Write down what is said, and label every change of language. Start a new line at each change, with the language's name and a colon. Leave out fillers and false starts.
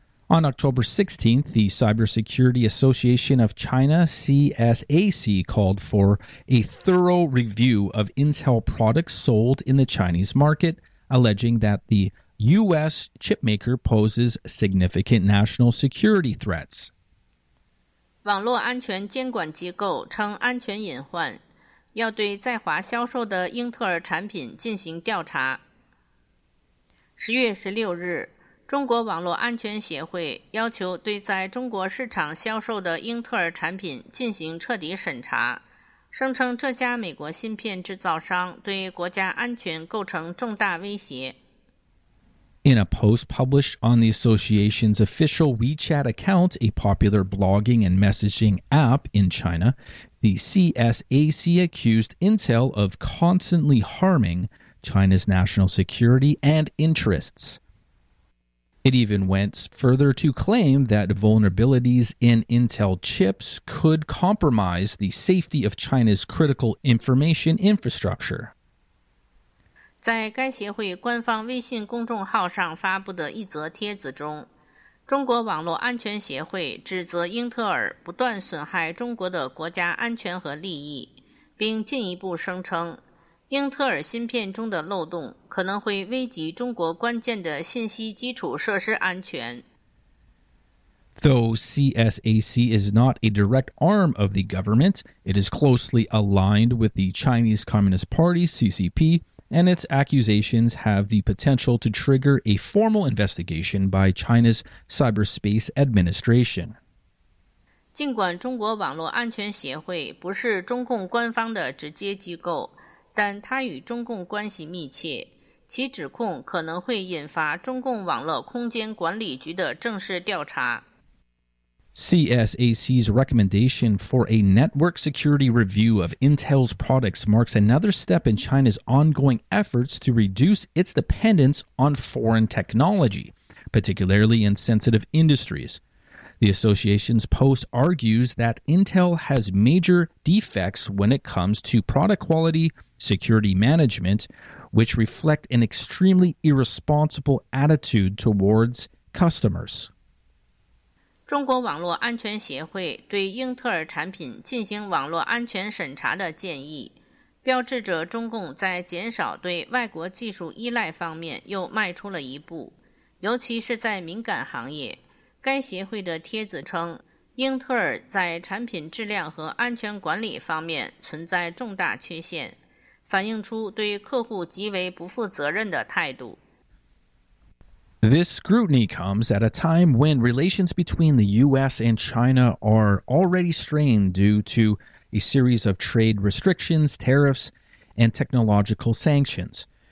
English: On October 16th, the Cybersecurity Association of China, CSAC, called for a thorough review of Intel products sold in the Chinese market, alleging that the U.S. chipmaker poses significant national security threats.
Chinese: 网络安全监管机构称安全隐患，要对在华销售的英特尔产品进行调查。 10月16日，中国网络安全协会要求对在中国市场销售的英特尔产品进行彻底审查，声称这家美国芯片制造商对国家安全构成重大威胁。
English: In a post published on the association's official WeChat account, a popular blogging and messaging app in China, the CSAC accused Intel of constantly harming China's national security and interests. It even went further to claim that vulnerabilities in Intel chips could compromise the safety of China's critical information infrastructure.
Chinese: 在该协会官方微信公众号上发布的一则帖子中，中国网络安全协会指责英特尔不断损害中国的国家安全和利益，并进一步声称，英特尔芯片中的漏洞可能会危及中国关键的信息基础设施安全。
English: Though CSAC is not a direct arm of the government, it is closely aligned with the Chinese Communist Party, CCP,and its accusations have the potential to trigger a formal investigation by China's Cyberspace Administration.
Chinese: 尽管中国网络安全协会不是中共官方的直接机构，但它与中共关系密切，其指控可能会引发中共网络空间管理局的正式调查。
English: CSAC's recommendation for a network security review of Intel's products marks another step in China's ongoing efforts to reduce its dependence on foreign technology, particularly in sensitive industries. The association's post argues that Intel has major defects when it comes to product quality, security management, which reflect an extremely irresponsible attitude towards customers.
Chinese: 中国网络安全协会对英特尔产品进行网络安全审查的建议，标志着中共在减少对外国技术依赖方面又迈出了一步，尤其是在敏感行业。该协会的帖子称，英特尔在产品质量和安全管理方面存在重大缺陷，反映出对客户极为不负责任的态度。
English: This scrutiny comes at a time when relations between the U.S. and China are already strained due to a series of trade restrictions, tariffs, and technological sanctions.